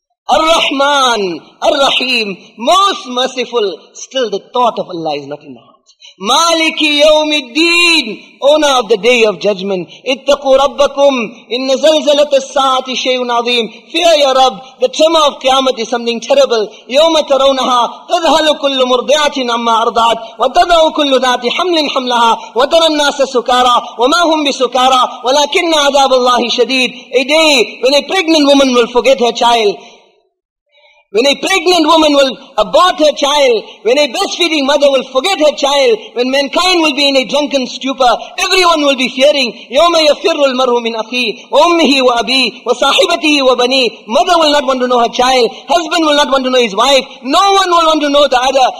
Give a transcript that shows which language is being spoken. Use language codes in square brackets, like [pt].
[en] Ar-Rahman, Ar-Rahim, most merciful, still the thought of Allah is not in the heart. [ar] مَالِكِ يَوْمِ الدِّينِ [en] Owner of the Day of Judgment. [ar] اتَّقُوا رَبَّكُمْ إِنَّ زَلْزَلَةَ السَّاعَةِ شَيْءٌ عَظِيمٌ [en] Fear your Rabb, the tremor of Qiyamah is something terrible. [ar] يَوْمَ تَرَوْنَهَا تَذْهَلُ كُلُّ مُرْضِعَةٍ عَمَّا أَرْضَعَتْ وَتَضَعُ كُلُّ ذَاتِ حَمْلٍ حَمْلَهَا وَتَرَى النَّاسَ سُكَارَى وَمَا هُمْ بِسُكَارَى وَلَكِنَّ عَذَابَ اللَّهِ شَدِيدٌ [en] A day when a pregnant woman will forget her child. When a pregnant woman will abort her child, when a breastfeeding mother will forget her child, when mankind will be in a drunken stupor, everyone will be fearing, [ar] يَوْمَ يَفِرُّ الْمَرْهُ مِنْ أَخِيهِ وَأُمِّهِ وَأَبِيهِ وَصَاحِبَتِهِ وَبَنِيهِ [en] Mother will not want to know her child, husband will not want to know his wife, no one will want to know the other.